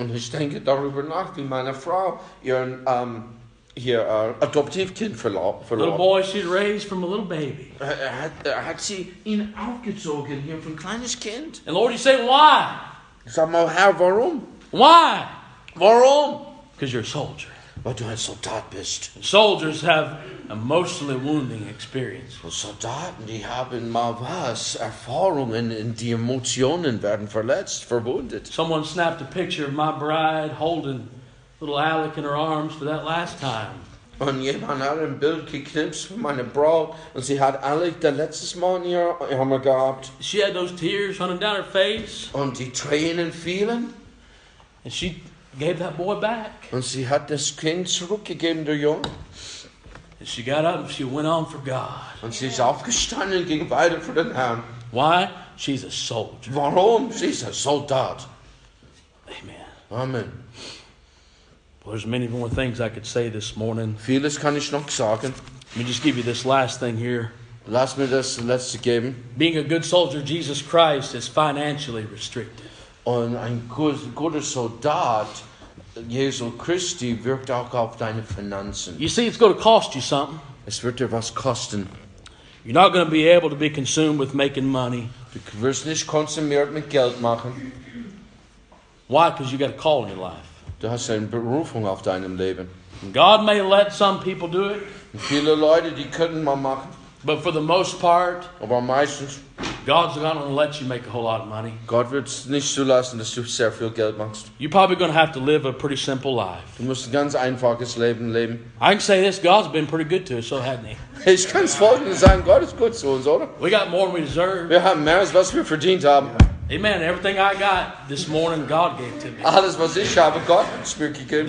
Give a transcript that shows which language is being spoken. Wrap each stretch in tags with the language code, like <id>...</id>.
<de>Und ich denke darüber nach, wie meine Frau ihr Adoptivkind verlor.</de> <en>Little boy she'd raised from a little baby.</en> <de>Hat sie ihn aufgezogen hier von kleines Kind.</de> <en>And Lord, you say why?</en> <de>Sag mal, Herr, warum?</de> <en>Why?</en> <de>Warum?</de> <en>Because you're a soldier.</en> <de>Weil du ein Soldat bist.</de> <en>Soldiers have emotionally wounding experience.</en> <de>Well, Soldaten, die haben mal was Erfahrungen, und die Emotionen werden verletzt, verwundet.</de> <en>Someone snapped a picture of my bride holding little Alec in her arms for that last time.</en> <de>Und jemand hat ein Bild geknipst von meiner Braut, und sie hat Alec der letzte Mal in ihr Armer gehabt.</de> <en>She had those tears running down her face.</en> <de>Und die Tränen fielen.</de> <en>And she gave that boy back.</en> <de>Und sie hat das Kind zurückgegeben, der Junge.</de> <en>And she got up and she went on for God.</en> <de>Und sie ist aufgestanden und ging weiter für den Herrn.</de> <en>Why? She's a soldier.</en> <de>Warum?</de> <en>She's</en> <de>a Soldat. Amen. Amen.</de> <en>Well, there's many more things I could say this morning.</en> <de>Vieles kann ich noch sagen.</de> <en>Let me just give you this last thing here.</en> <de>Lass mir das letzte geben.</de> <en>Being a good soldier of Jesus Christ is financially restricted.</en> <de>Und ein guter Soldat, Jesu Christi, wirkt auch auf deine Finanzen.</de> <en>You see, it's going to cost you something.</en> <de>Es wird dir was kosten.</de> <en>You're not going to be able to be consumed with making money.</en> <de>Du wirst nicht konsumiert mit Geld machen.</de> <en>Why? Because you got a call in your life.</en> <de>Du hast eine Berufung auf deinem Leben.</de> <en>God may let some people do it.</en> <de>Und viele Leute, die können mal machen.</de> <en>But for the most part,</en> <de>aber meistens,</de> <en>God's not going to let you make a whole lot of money.</en> <de>Gott wird nicht zulassen, dass du sehr viel Geld machst.</de> <en>You're probably going to have to live a pretty simple life.</en> <de>Du musst ein ganz einfaches Leben leben.</de> <en>I can say this, God's been pretty good to us, so hasn't he?</en> <de>Ich kann es folgendes sagen, Gott ist gut zu uns, oder?</de> <en>We got more than we deserve.</en> <de>Wir haben mehr als was wir verdient haben. Amen.</de> <en>Everything I got this morning, God gave to me.</en> <de>Alles, was ich habe, Gott hat mir gegeben.</de>